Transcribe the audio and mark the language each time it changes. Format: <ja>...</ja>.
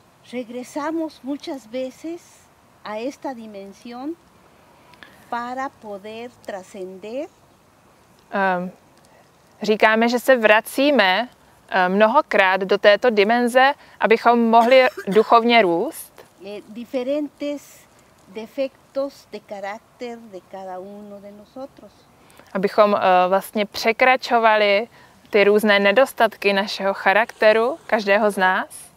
<es>Regresamos muchas veces a esta dimensión para poder trascender.</es> <cs>Říkáme, že se vracíme mnohokrát do této dimenze, abychom mohli duchovně růst.</cs> <es>Diferentes defectos de carácter de cada uno de nosotros.</es> <cs>Abychom vlastně překračovali ty různé nedostatky našeho charakteru, každého z nás.</cs>